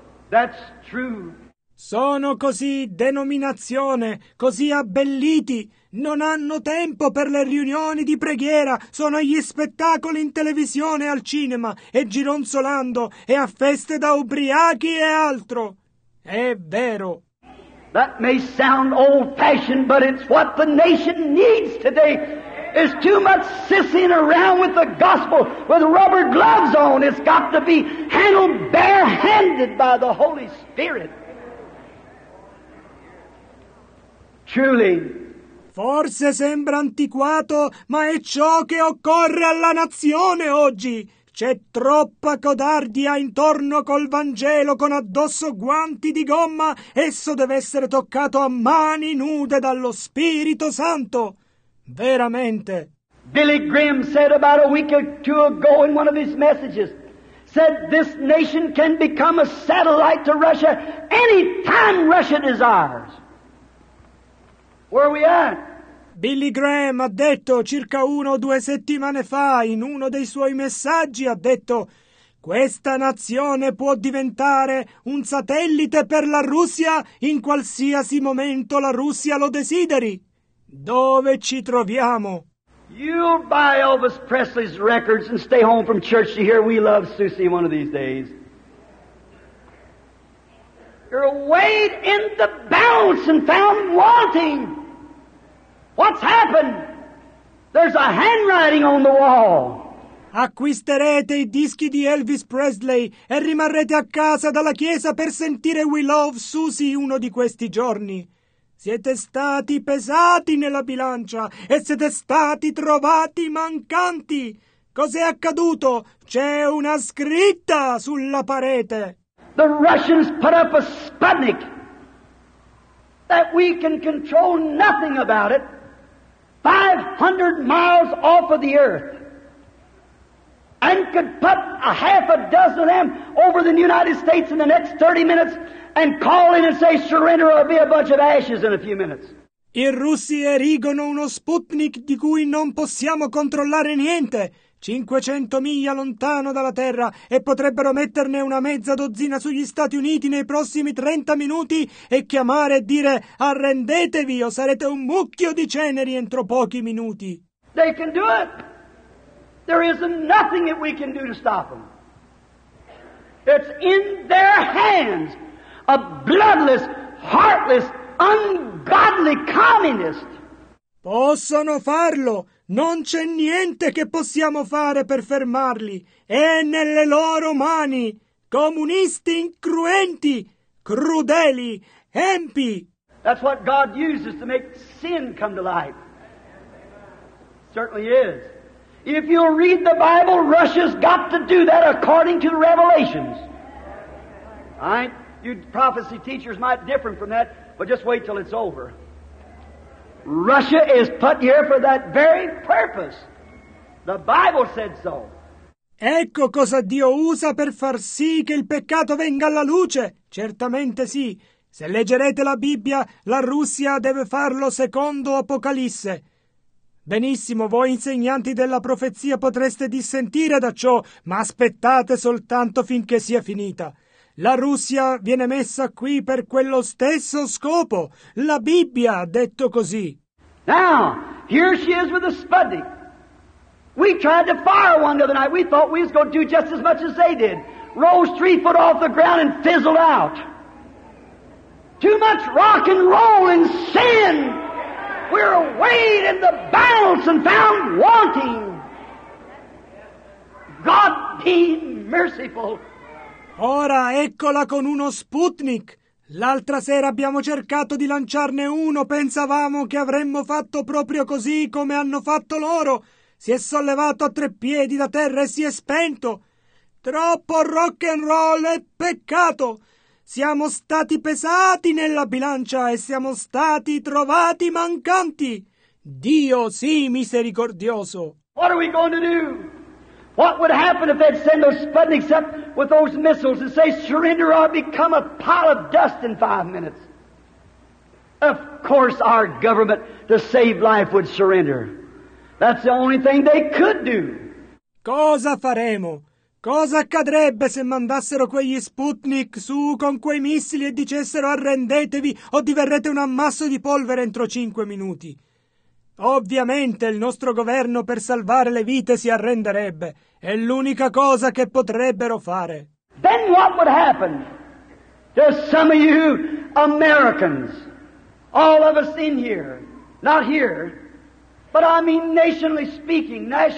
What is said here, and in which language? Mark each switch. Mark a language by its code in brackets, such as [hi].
[en] That's true. [it] Sono così denominazione, così abbelliti. Non hanno tempo per le riunioni di preghiera, sono agli spettacoli in televisione, al cinema, e gironzolando, e a feste da ubriachi e altro. È vero. [en] That may sound old-fashioned, but it's what the nation needs today. It's too much sissying around with the gospel with rubber gloves on. It's got to be handled bare-handed by the Holy Spirit. Truly. [it] Forse sembra antiquato, ma è ciò che occorre alla nazione oggi. C'è troppa codardia intorno col Vangelo, con addosso guanti di gomma. Esso deve essere toccato a mani nude dallo Spirito Santo. Veramente. [en] Billy Graham said about a week or two ago in one of his messages, said this nation can become a satellite to Russia any time Russia desires. Where we at? [it] Billy Graham ha detto circa 1 o 2 settimane fa, in uno dei suoi messaggi, ha detto: questa nazione può diventare un satellite per la Russia in qualsiasi momento la Russia lo desideri. Dove ci troviamo? [en] You'll buy Elvis Presley's records and stay home from church to hear We Love Susie one of these days. You're weighed in the balance and found wanting. What's happened? There's a handwriting on the wall. [it] Acquisterete i dischi di Elvis Presley e rimarrete a casa dalla chiesa per sentire We Love Susie uno di questi giorni. Siete stati pesati nella bilancia e siete stati trovati mancanti. Cos'è accaduto? C'è una scritta sulla parete. [en] The Russians put up a Sputnik that we can control nothing about it, 500 miles off of the earth, and could put a half a dozen of them over the United States in the next 30 minutes and call in and say, surrender or it'll be a bunch of ashes in a few minutes. [it] I russi erigono uno Sputnik di cui non possiamo controllare niente. 500 miglia lontano dalla Terra e potrebbero metterne una mezza dozzina sugli Stati Uniti nei prossimi 30 minuti e chiamare e dire arrendetevi o sarete un mucchio di ceneri entro pochi minuti. [en] They can do it. There is nothing that we can do to stop them. It's in their hands. A bloodless, heartless, ungodly communist. [it] Possono farlo. Non c'è niente che possiamo fare per fermarli. È nelle loro mani. Comunisti incruenti, crudeli, empi. [en] That's what God uses to make sin come to life. Certainly is. If you'll read the Bible, Russia's got to do that according to the revelations. All right? You prophecy teachers might differ from that, but just wait till it's over. Russia is put here for that very purpose. The Bible said so. [it] Ecco cosa Dio usa per far sì che il peccato venga alla luce. Certamente sì. Se leggerete la Bibbia, la Russia deve farlo secondo Apocalisse. Benissimo, voi insegnanti della profezia potreste dissentire da ciò, ma aspettate soltanto finché sia finita. La Russia viene messa qui per quello stesso scopo. La Bibbia ha detto così. [en] Now, here she is with a Sputnik. We tried to fire one the other night. We thought we was going to do just as much as they did. Rose 3 feet off the ground and fizzled out. Too much rock and roll and sin. We're weighed in the balance and found wanting. God be merciful. [it] Ora eccola con uno Sputnik. L'altra sera abbiamo cercato di lanciarne uno. Pensavamo che avremmo fatto proprio così come hanno fatto loro. Si è sollevato a 3 piedi da terra e si è spento. Troppo rock and roll e peccato. Siamo stati pesati nella bilancia e siamo stati trovati mancanti. Dio sii misericordioso. [en] What are we going to do? What would happen if they'd send those Sputniks up with those missiles and say, surrender or become a pile of dust in 5 minutes? Of course our government, to save life, would surrender. That's the only thing they could do. [it] Cosa faremo? Cosa accadrebbe se mandassero quegli Sputnik su con quei missili e dicessero arrendetevi o diverrete un ammasso di polvere entro 5 minuti? Ovviamente il nostro governo per salvare le vite si arrenderebbe. È l'unica cosa che potrebbero fare. [en] Then what would happen to some of you Americans, all of us in here, not here, but I mean nationally speaking,